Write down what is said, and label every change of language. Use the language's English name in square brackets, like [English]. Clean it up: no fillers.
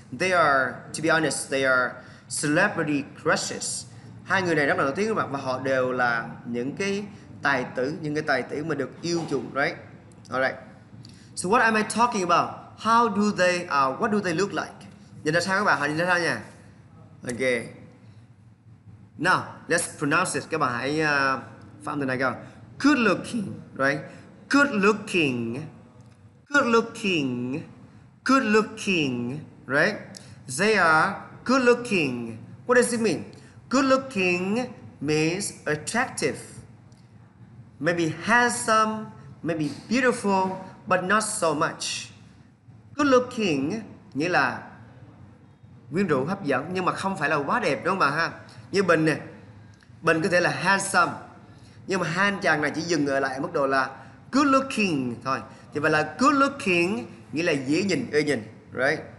[English] They are, to be honest, they are celebrity crushes. [Vietnamese] Hai người này rất là nổi tiếng các bạn, và họ đều là những cái tài tử mà được yêu chuộng, right? [English] Alright. So what am I talking about? What do they look like? [Vietnamese] Nhìn ra sao các bạn? Họ nhìn ra sao nha? [English] Okay. Now, let's pronounce it. [Vietnamese] Các bạn hãy phát âm từ này kìa. [English] Good looking, right? good looking, good looking, good looking, right? They are good looking. What does it mean? Good looking means attractive. Maybe handsome, maybe beautiful, but not so much. [Vietnamese] Good looking nghĩa là quyến rũ, hấp dẫn, nhưng mà không phải là quá đẹp, đúng không ha? Như Bình nè, Bình có thể là handsome, nhưng mà hai anh chàng này chỉ dừng ở lại mức độ là good looking thôi. Thì vậy là good looking nghĩa là dễ nhìn, ưa nhìn, right?